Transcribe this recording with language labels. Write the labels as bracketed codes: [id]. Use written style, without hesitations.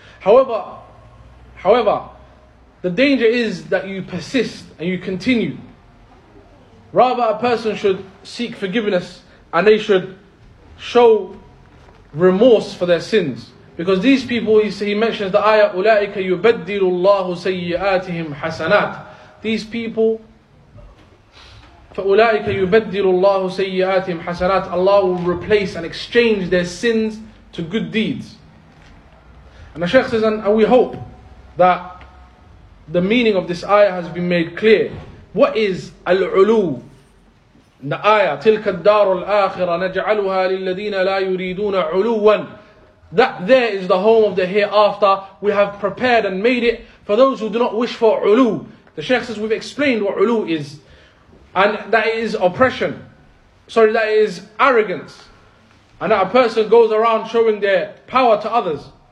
[en] However, the danger is that you persist and you continue. Rather, a person should seek forgiveness and they should show remorse for their sins. Because these people, he mentions the ayah, أُولَٰئِكَ يُبَدِّلُ اللَّهُ سَيِّئَاتِهِمْ حَسَنَاتٍ. [ar] These people, فَأُولَٰئِكَ يُبَدِّلُ اللَّهُ سَيِّئَاتِهِمْ حَسَنَاتٍ. [en] Allah will replace and exchange their sins to good deeds. And the Shaykh says, and we hope that the meaning of this ayah has been made clear. What is al-ulu? [ar] In the ayah, تِلْكَ الدَّارُ الْآخِرَةَ نَجْعَلُهَا لِلَّذِينَ لَا يُرِيدُونَ عُلُوًّا. [en] That there is the home of the hereafter. We have prepared and made it for those who do not wish for ulu. The Shaykh says, we've explained what ulu is. And that is oppression. Sorry, that is arrogance. And that a person goes around showing their power to others.